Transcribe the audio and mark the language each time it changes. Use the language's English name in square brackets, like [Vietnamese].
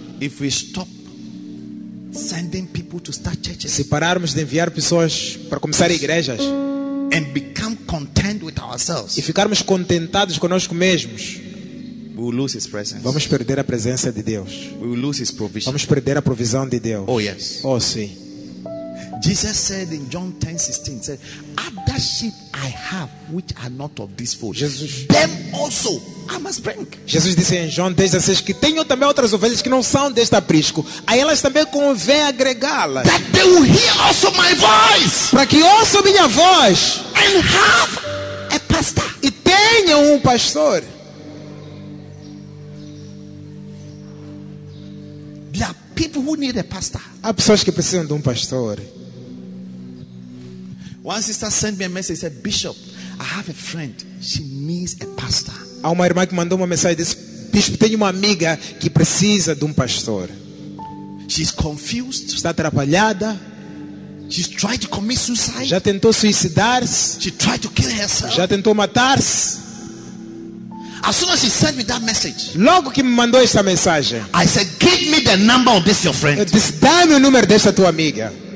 [English] if we stop sending people to start churches, [Portuguese] se pararmos de enviar pessoas para começar igrejas, [English] and become content with ourselves, [Portuguese] e ficarmos contentados conosco mesmos. [English] We will lose his presence. [Portuguese] Vamos perder a presença de Deus. [English] We will lose his provision. [Portuguese] Vamos perder a provisão de Deus. [English] Oh yes. [Portuguese] Oh sim. [English] Jesus said in John 10:16, said, "Other sheep I have which are not of this fold." [Portuguese] Jesus. [English] Them also I must bring. [Portuguese] Jesus disse em João 10:16 que tenho também outras ovelhas que não são deste aprisco. A elas também convém agregá-las. [English] That they will hear also my voice. [Portuguese] Para que ouçam minha voz. [English] And have a pastor. [Portuguese] E tenham pastor. [English] People who need a pastor. [Portuguese] Há pessoas que precisam de pastor. [English] One sister sent me a message. Said, "Bishop, I have a friend. She needs a pastor." [Portuguese] Há uma irmã que mandou uma mensagem. Disse, "Bishop, tenho uma amiga que precisa de pastor." [English] She's confused. [Portuguese] Está atrapalhada. [English] She's tried to commit suicide. [Portuguese] Já tentou suicidar-se. [English] She tried to kill herself. [Portuguese] Já tentou matar-se. [English] As soon as she sent me that message, [Portuguese] logo que me mandou esta mensagem, [English] I said, "Give me the number of this your friend." [Portuguese] Eu disse, dá-me o número desta tua amiga.